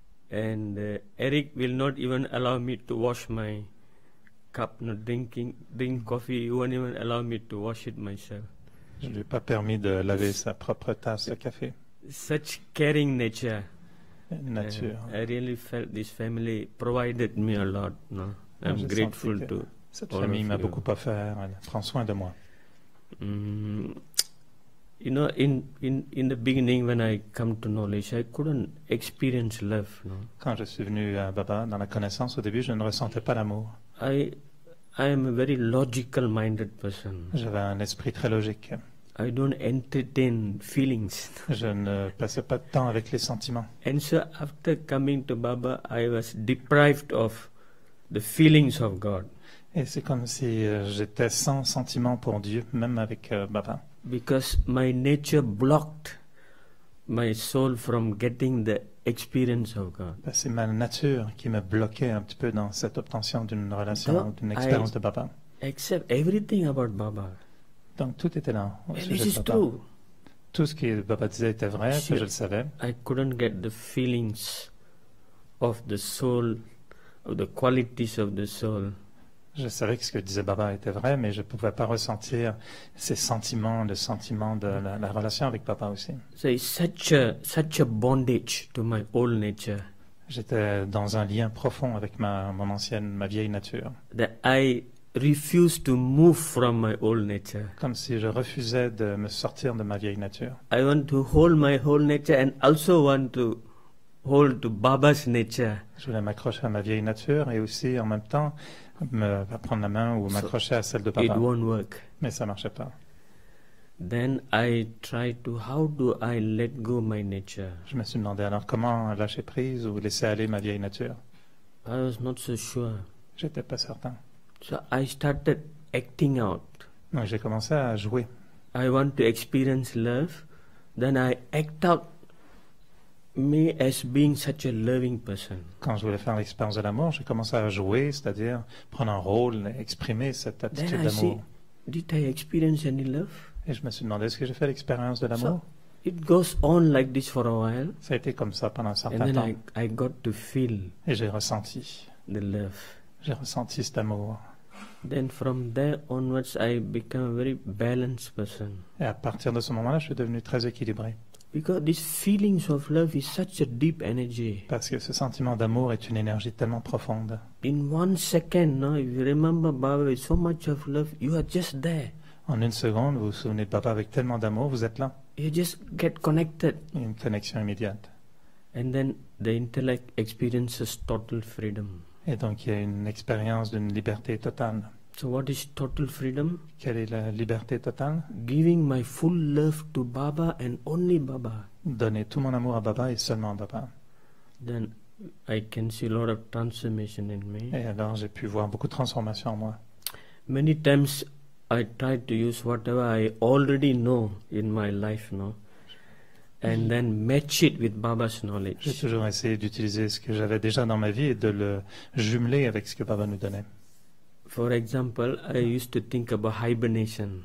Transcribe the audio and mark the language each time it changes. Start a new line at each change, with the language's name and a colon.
English: And Eric will not even allow me to wash my cup, not drink coffee. He won't even allow me to wash it myself.
French: Je ne lui ai pas permis de laver sa propre tasse de café.
English: Such caring nature. Nature. I really felt this family provided me a lot. No? I'm grateful to
French: cette famille m'a beaucoup offert. Elle prend soin de moi.
English: You know, in the beginning when I come to knowledge, I couldn't experience love. No?
French: Quand je suis venu à Baba, dans la connaissance, au début, je ne ressentais pas l'amour.
English: I am a very logical minded person.
French: J'avais un esprit très logique.
English: I don't entertain feelings.
French: Je ne passais pas de temps avec les sentiments.
English: And so after coming to Baba, I was deprived of the feelings of God.
French: Et c'est comme si j'étais sans sentiments pour Dieu, même avec Baba.
English: Because my nature blocked my soul from getting the experience of God.
French: Ben, c'est ma nature qui me bloquait un petit peu dans cette obtention d'une relation,
English: Though
French: d'une expérience de Baba.
English: Except everything about Baba.
French: Donc tout était là.
English: It is true.
French: Tout ce que Baba disait était vrai,
English: See,
French: que je le savais.
English: I couldn't get the feelings of the soul, of the qualities of the soul.
French: Je savais que ce que disait Baba était vrai, mais je ne pouvais pas ressentir ces sentiments, le sentiment de la relation avec Baba aussi.
English: So it's such a bondage to my old nature.
French: J'étais dans un lien profond avec ma vieille nature.
English: That I refused to move from my old nature.
French: Comme si je refusais de me sortir de ma vieille nature.
English: I want to hold my old nature and also want to hold to Baba's nature.
French: Je voulais m'accrocher à ma vieille nature et aussi en même temps me prendre la main ou m'accrocher
English: so
French: à celle de Baba.
English: It won't work.
French: Mais ça marchait pas.
English: Then I tried to how do I let go my nature?
French: Je me suis demandé alors comment lâcher prise ou laisser aller ma vieille nature.
English: I was not so sure.
French: J'étais pas certain.
English: So I started acting out.
French: Donc j'ai commencé à jouer.
English: I want to experience love, then I act out. Me as being such a loving person.
French: Quand je voulais faire l'expérience de l'amour, j'ai commencé à jouer, c'est-à-dire prendre un rôle, exprimer cette attitude
English: Then I
French: d'amour.
English: See, did I experience any love?
French: Et je me suis demandé, est-ce que j'ai fait l'expérience de l'amour?
English: So, it goes on like this for a while.
French: Ça a été comme ça pendant un certain
English: And then
French: temps.
English: I got to feel
French: Et j'ai ressenti.
English: The love.
French: J'ai ressenti cet amour.
English: Then from there onwards, I became a very balanced person.
French: Et à partir de ce moment-là, je suis devenu très équilibré.
English: Because this feelings of love is such a deep energy.
French: Parce que ce sentiment d'amour est une énergie tellement profonde.
English: In 1 second, no, if you remember Baba with so much of love, you are just there.
French: En une seconde, vous vous souvenez de Baba avec tellement d'amour, vous êtes là.
English: You just get connected.
French: Une connexion immédiate.
English: And then the intellect experiences total freedom.
French: Et donc il y a une expérience d'une liberté totale.
English: So what is total freedom?
French: Quelle est la liberté totale?
English: Giving my full love to Baba and only Baba.
French: Donner tout mon amour à Baba et seulement à Baba.
English: Then I can see a lot of transformation in me.
French: Et alors j'ai pu voir beaucoup de transformation en moi.
English: Many times I tried to use whatever I already know in my life, no? And then match it with Baba's knowledge.
French: J'ai toujours essayé d'utiliser ce que j'avais déjà dans ma vie et de le jumeler avec ce que Baba nous donnait.
English: For example, I used to think about hibernation.